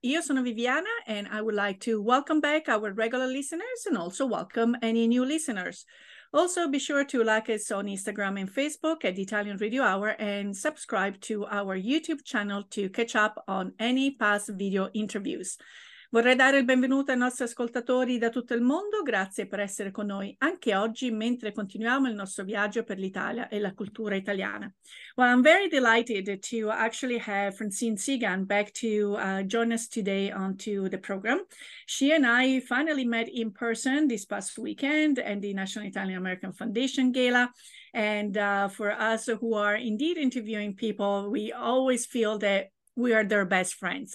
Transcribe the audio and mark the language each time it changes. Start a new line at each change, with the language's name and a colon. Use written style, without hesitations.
Italian: Io sono Viviana,
English: and I would like to welcome back our regular listeners and also welcome any new listeners. Also, be sure to like us on Instagram and Facebook at the Italian Radio Hour and subscribe to our YouTube channel to catch up on any past video interviews.
Italian: Vorrei dare il benvenuto ai nostri ascoltatori da tutto il mondo. Grazie per essere con noi anche oggi mentre continuiamo il nostro viaggio per l'Italia e la cultura italiana.
English: Well, I'm very delighted to actually have Francine Segan back to join us today onto the program. She and I finally met in person this past weekend at the National Italian American Foundation Gala. And for us who are indeed interviewing people, we always feel that we are their best friends.